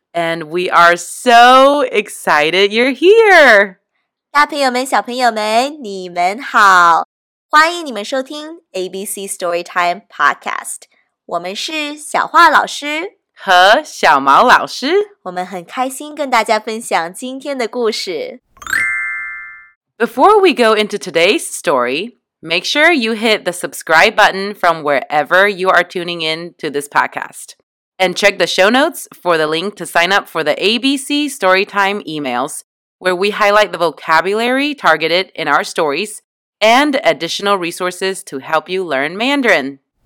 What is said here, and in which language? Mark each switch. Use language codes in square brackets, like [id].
[en] And we are so excited you're here. [zh] 大朋友们,小朋友们,你们好。欢迎你们收听ABC Storytime Podcast. 我们是小花老师和小毛老师。我们很开心跟大家分享今天的故事。 [en] Before we go into today's story, make sure you hit the subscribe button from wherever you are tuning in to this podcast. And check the show notes for the link to sign up for the ABC Storytime emails, where we highlight the vocabulary targeted in our stories and additional resources to help you learn Mandarin.